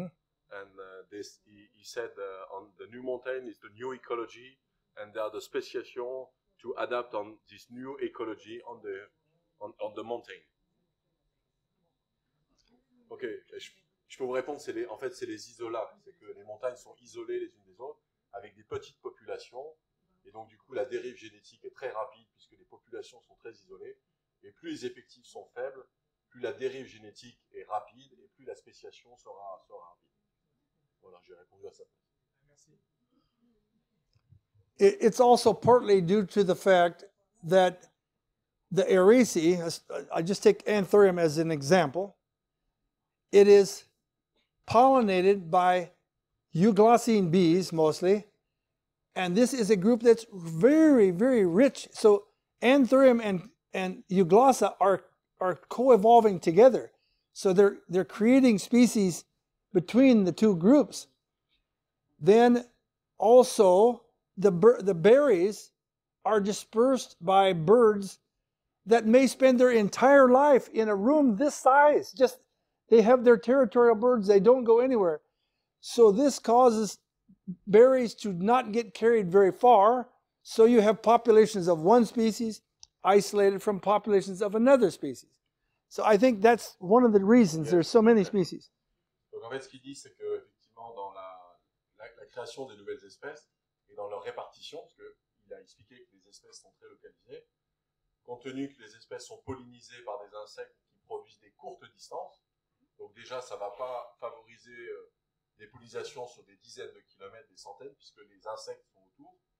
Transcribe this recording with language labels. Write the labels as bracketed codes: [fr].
[en] and this he said on the new mountain is the new ecology, and there are the speciation to adapt on this new ecology on the mountain. [fr] Ok, je peux vous répondre, c'est les, en fait c'est les isolats, c'est que les montagnes sont isolées les unes des autres, avec des petites populations, et donc du coup la dérive génétique est très rapide, puisque les populations sont très isolées, et plus les effectifs sont faibles, plus la dérive génétique est rapide, et plus la spéciation sera rapide. Voilà, j'ai répondu à ça. Merci. [en] It's also partly due to the fact that the aracée, I just take Anthurium as an example, it is pollinated by euglossine bees mostly, and this is a group that's very, very rich. So Anthurium and euglossa are co-evolving together. So they're creating species between the two groups. Then also the berries are dispersed by birds that may spend their entire life in a room this size, just they have their territorial birds, they don't go anywhere. So this causes berries to not get carried very far. So you have populations of one species isolated from populations of another species. So I think that's one of the reasons yes. there are so many species. [fr] Donc en fait, ce qu'il dit, c'est que effectivement, dans la création des nouvelles espèces et dans leur répartition, parce qu'il a expliqué que les espèces sont très localisées, compte tenu que les espèces sont pollinisées par des insectes qui produisent des courtes distances, donc déjà, ça ne va pas favoriser des pollinisations sur des dizaines de kilomètres, des centaines, puisque les insectes sont autour.